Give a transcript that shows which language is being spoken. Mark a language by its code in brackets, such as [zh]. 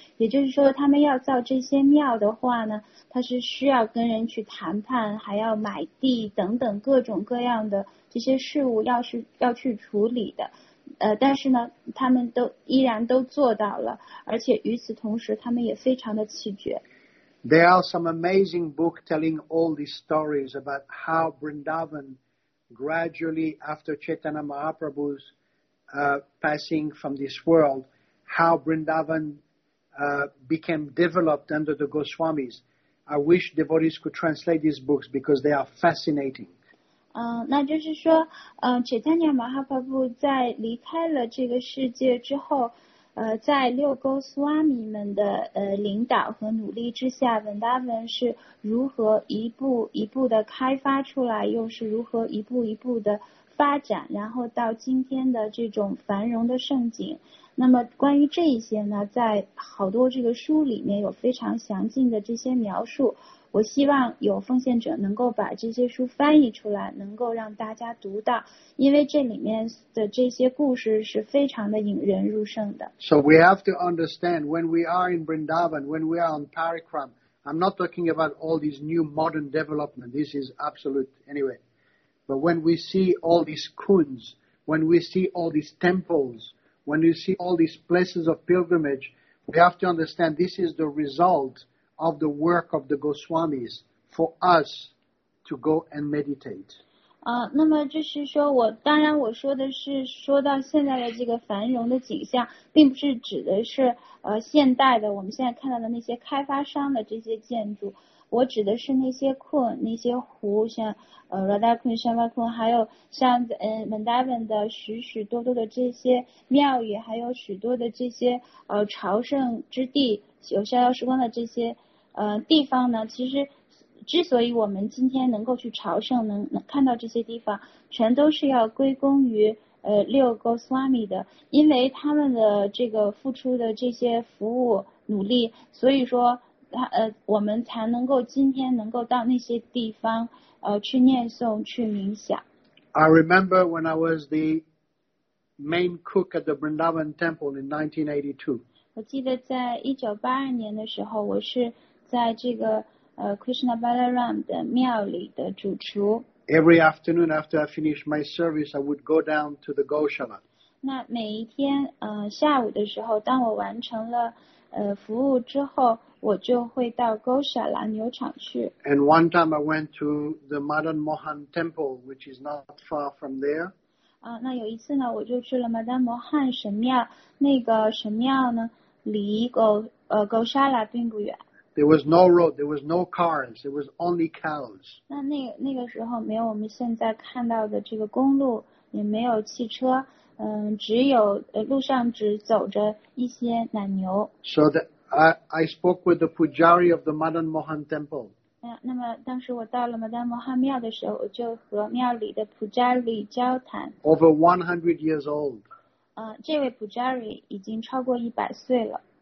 [zh] 也就是说他们要造这些庙的话呢，他是需要跟人去谈判，还要买地等等各种各样的这些事物要去处理的。但是呢他们都依然都做到了，而且与此同时他们也非常的气绝。 [en] There are some amazing books telling all these stories about how Vrindavan gradually after Chaitanya Mahaprabhu's passing from this world, how Vrindavan became developed under the Goswamis. I wish devotees could translate these books because they are fascinating. [zh] 那就是说Chaitanya Mahaprabhu 在离开了这个世界之后，在六沟苏阿米们的领导和努力之下，文达文是如何一步一步的开发出来，又是如何一步一步的发展，然后到今天的这种繁荣的盛景。那么关于这一些呢，在好多这个书里面有非常详尽的这些描述，我希望有奉献者能够把这些书翻译出来，能够让大家读到，因为这里面的这些故事是非常的引人入胜的。 [en] So we have to understand when we are in Vrindavan, when we are on Parikram, I'm not talking about all these new modern development, this is absolute anyway. But when we see all these kuns, when we see all these temples, when we see all these places of pilgrimage, we have to understand this is the resultof the work of the Goswamis for us to go and meditate. [zh] 那么就是说我当然我说的是说到现在的这个繁荣的景象，并不是指的是现代的我们现在看到的那些开发商的这些建筑，我指的是那些库那些湖，像Radha Kun Shama Kun, 还有像Vrindavan 的许许多多的这些庙宇，还有许多的这些朝圣之地，有逍遥时光的这些地方呢，其实之所以我们今天能够去朝圣，能看到这些地方，全都是要归功于六沟 Swami 的，因为他们的这个付出的这些服务努力，所以说我们才能够今天能够到那些地方去念诵去冥想。 [en] I remember when I was the main cook at the Vrindavan Temple in 1982. [zh] 我记得在1982年的时候，我是在这个Krishna Balaram 的庙里的主厨。 [en] Every afternoon after I finished my service, I would go down to the Goshala. [zh] 那每一天下午的时候，当我完成了服务之后，我就会到 Goshala 牛场去。 [en] And one time I went to the Madan Mohan Temple, which is not far from there. [zh] 那有一次呢，我就去了马丹摩汉神庙，那个神庙呢，离狗沙拉并不远。 [en] There was no road, there was no cars, there was only cows. [zh] 那个时候没有我们现在看到的这个公路，也没有汽车，只有路上只走着一些奶牛。 [en] So that I spoke with the pujari of the Madan Mohan Temple. [zh] 那么当时我到了马丹摩汉庙的时候，我就和庙里的普扎里交谈。 [en] Over 100 years old. [zh] 这位普扎里已经超过100岁了。